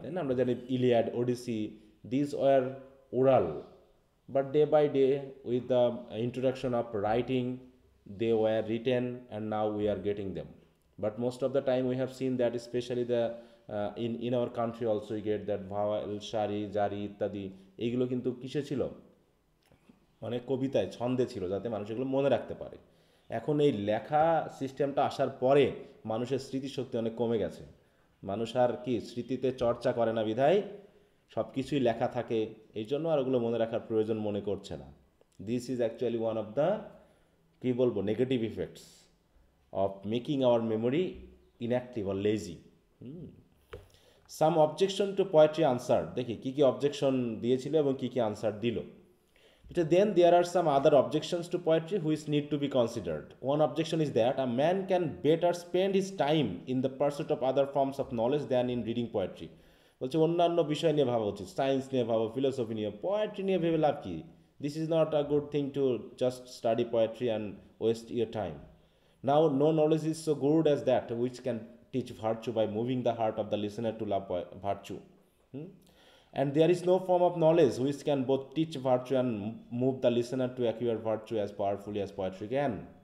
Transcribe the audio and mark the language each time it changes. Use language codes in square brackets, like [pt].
[en] Then [bn] amra jani [en] Iliad, Odyssey, these were oral, but day by day with the introduction of writing, they were written, and now we are getting them. But most of the time we have seen that, especially the in our country also, we get that bhawal, shari, jari, ittadi, [bn] eigulo kintu kishe chilo মানে কবিতায় ছন্দে ছিল যাতে মানুষ এগুলো মনে রাখতে পারে। এখন এই লেখা সিস্টেমটা আসার পরে মানুষের স্মৃতিশক্তি অনেক কমে গেছে। মানুষ আর কি স্মৃতিতে চর্চা করে না বিধায় সব কিছুই লেখা থাকে, এই জন্য আর ওগুলো মনে রাখার প্রয়োজন মনে করছে না। [en] this is actually one of the [bn] কী বলবো [en] Negative effects of making our memory inactive or lazy. Some objection to poetry answer, [bn] দেখি কী কী অবজেকশন দিয়েছিল এবং কী কী আনসার দিল। [en] But then there are some other objections to poetry which need to be considered. One objection is that a man can better spend his time in the pursuit of other forms of knowledge than in reading poetry. [bn] বলছে অন্যান্য বিষয় নিয়ে ভাবা উচিত, science নিয়ে ভাবো, philosophy নিয়ে, poetry নিয়ে ভেবে লাভ কি? [en] This is not a good thing to just study poetry and waste your time. Now no knowledge is so good as that which can teach virtue by moving the heart of the listener to love virtue. And there is no form of knowledge which can both teach virtue and move the listener to acquire virtue as powerfully as poetry can.